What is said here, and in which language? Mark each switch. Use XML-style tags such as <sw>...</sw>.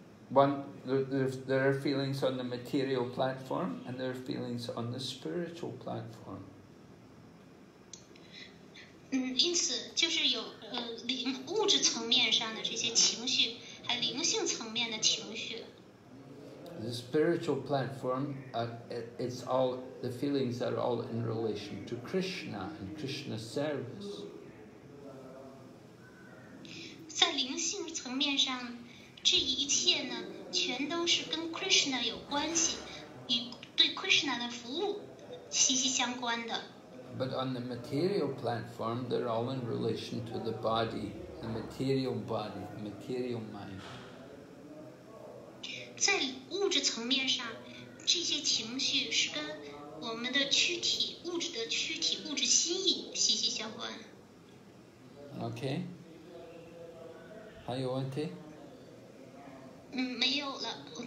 <en>There are feelings on the material platform, and there are feelings on the spiritual platform.</en> <zh>因此就是有灵物质层面上的这些情绪，还有灵性层面的情绪。</zh> <en>The spiritual platform, it's all the feelings are all in relation to Krishna and Krishna's service.</en> <zh>在灵性层面上，这一切呢，全都是跟 Krishna 有关系，与对 Krishna 的服务息息相关的。</zh> <en>But on the material platform, they're all in relation to the body, the material body, the material mind.</en> <zh>在物质层面上，这些情绪是跟我们的躯体、物质的躯体、物质心意息息相关。 Okay. 还有问题？没有了。</zh>